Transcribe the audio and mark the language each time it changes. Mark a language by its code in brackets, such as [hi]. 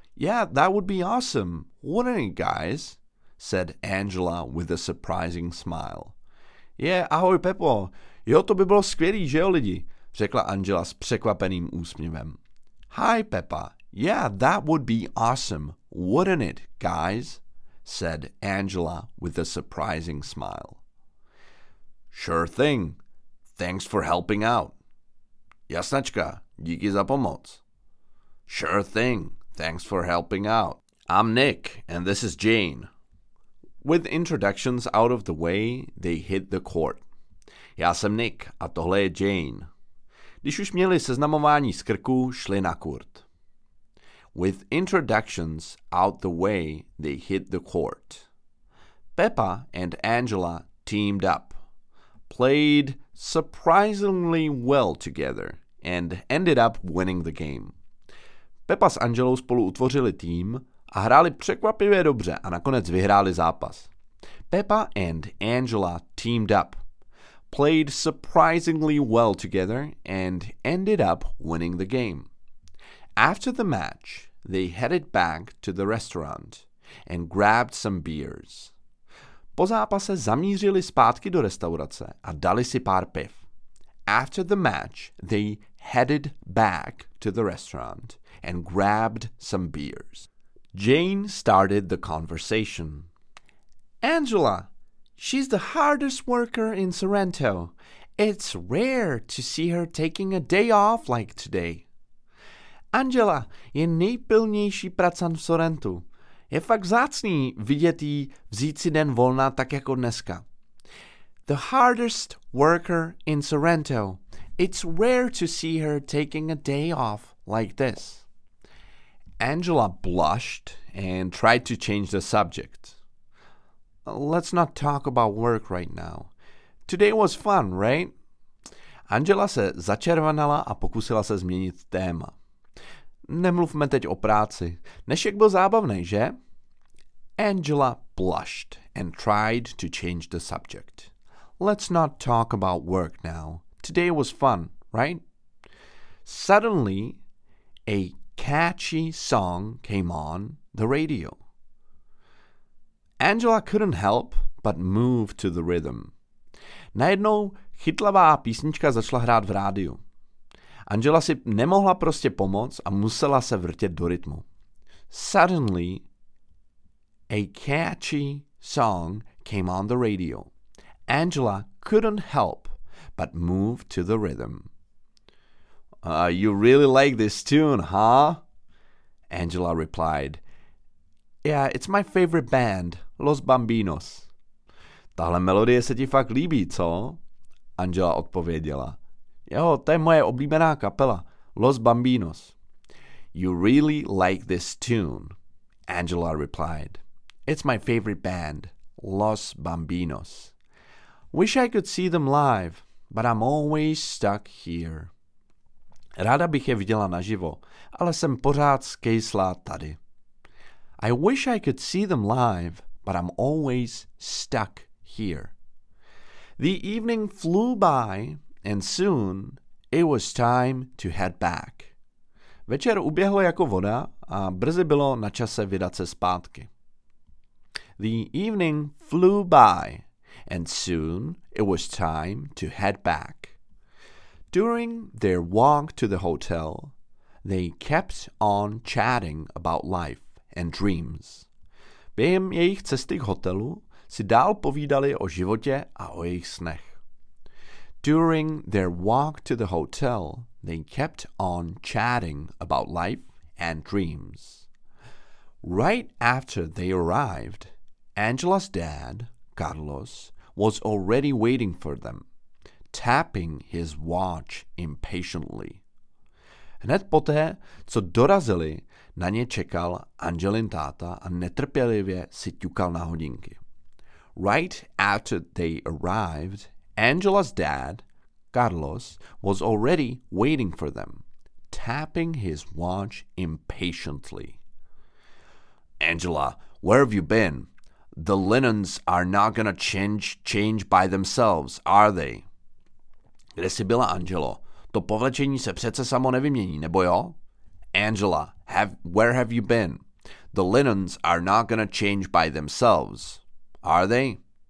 [en] Yeah, that would be awesome, wouldn't it, guys? Said Angela with a surprising smile. Yeah, [cs] ahoj, Pepo. Jo, to by bylo skvělý, že jo, lidi? Řekla Angela s překvapeným úsměvem. [en] Hi, Pepa. Yeah, that would be awesome, wouldn't it, guys? Said Angela with a surprising smile. Sure thing. Thanks for helping out. [cs] Jasnačka, díky za pomoc. [en] Sure thing. Thanks for helping out. I'm Nick, and this is Jane. With introductions out of the way, they hit the court. [cs] Já jsem Nick, a tohle je Jane. Když už měli seznamování z krku, šli na kurt. [en] With introductions out the way, they hit the court. Pepa and Angela teamed up, played surprisingly well together, and ended up winning the game. [cs] Pepa s Angelou spolu utvořili tým a hráli překvapivě dobře a nakonec vyhráli zápas. [en] Pepa and Angela teamed up, played surprisingly well together and ended up winning the game. After the match, they headed back to the restaurant and grabbed some beers. [cs] Po zápase zamířili zpátky do restaurace a dali si pár piv. [en] After the match, they headed back to the restaurant and grabbed some beers. Jane started the conversation. Angela, she's the hardest worker in Sorrento. It's rare to see her taking a day off like today. [cs] Angela je nejpilnější pracant v Sorrentu. Je fakt vzácný vidět jí vzít si den volna tak jako dneska. [en] The hardest worker in Sorrento. It's rare to see her taking a day off like this. Angela blushed and tried to change the subject. Let's not talk about work right now. Today was fun, right? [cs] Angela se začervenala a pokusila se změnit téma. Nemluvme teď o práci. Dnešek byl zábavný, že? [en] Angela blushed and tried to change the subject. Let's not talk about work now. Today was fun, right? Suddenly, a catchy song came on the radio. Angela couldn't help but move to the rhythm. [cs] Najednou chytlavá písnička začala hrát v rádiu. Angela si nemohla prostě pomoct a musela se vrtět do rytmu. [en] Suddenly, a catchy song came on the radio. Angela couldn't help but move to the rhythm. You really like this tune, huh? Angela replied. Yeah, it's my favorite band, Los Bambinos. [cs] Tahle melodie se ti fakt líbí, co? Angela odpověděla. Jo, to je moje oblíbená kapela, Los Bambinos. [en] You really like this tune, Angela replied. It's my favorite band, Los Bambinos. Wish I could see them live, but I'm always stuck here. [cs] Ráda bych je viděla naživo, ale jsem pořád skejslá tady. [en] I wish I could see them live, but I'm always stuck here. The evening flew by, and soon it was time to head back. [cs] Večer uběhl jako voda a brzy bylo na čase vydat se zpátky. [en] The evening flew by, and soon it was time to head back. During their walk to the hotel, they kept on chatting about life and dreams. [cs] Během jejich cesty k hotelu si dál povídali o životě a o jejich snech. [en] During their walk to the hotel, they kept on chatting about life and dreams. Right after they arrived, Angela's dad, Carlos, was already waiting for them, tapping his watch impatiently. [cs] Hned poté, co dorazili, na ně čekal Angelin táta a netrpělivě si ťukal na hodinky. [en] Right after they arrived, Angela's dad, Carlos, was already waiting for them, tapping his watch impatiently. Angela, where have you been? The linens are not gonna change by themselves, are they? [cs] Kde jsi byla, Angelo? To povlečení se přece samo nevymění, nebo jo? [en] Angela, where have you been? The linens are not gonna change by themselves, are they?